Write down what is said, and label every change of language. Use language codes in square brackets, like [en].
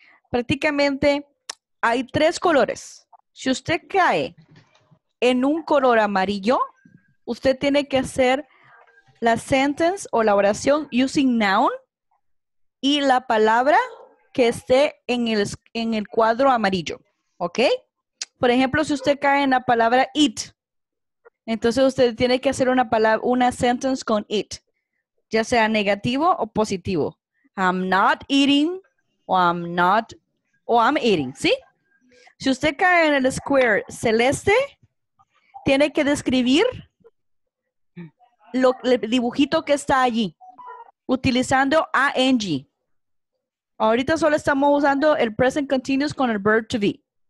[es] Prácticamente hay tres colores. Si usted cae en un color amarillo, usted tiene que hacer la sentence o la oración using noun y la palabra que esté en el cuadro amarillo, ¿ok? Por ejemplo, si usted cae en la palabra it, entonces usted tiene que hacer una palabra, una sentence con it, ya sea negativo o positivo. [en] I'm not eating, o I'm not, o I'm eating, ¿sí? [es] Si usted cae en el square celeste, tiene que describir lo, el dibujito que está allí, utilizando ing. Ahorita solo estamos usando el present continuous con el verb to be.